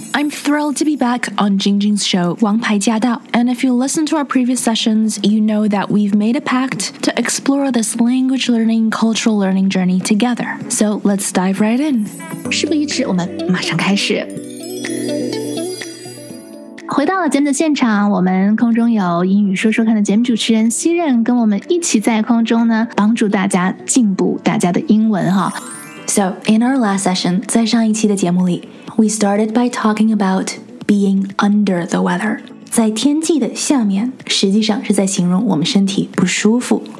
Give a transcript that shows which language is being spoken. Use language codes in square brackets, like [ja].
[en] I'm thrilled to be back on Jingjing's show, 王牌驾到. And if you listen to our previous sessions, you know that we've made a pact to explore this language learning, cultural learning journey together. So let's dive right in. [zh] 事不宜迟，我们马上开始。回到了节目的现场，我们空中有英语说说看的节目主持人西任跟我们一起在空中呢，帮助大家进步大家的英文哈。 [en] So, in our last session, [zh] 在上一期的节目里 [en] we started by talking about being under the weather. [zh] 在天气的下面实际上是在形容我们身体不舒服。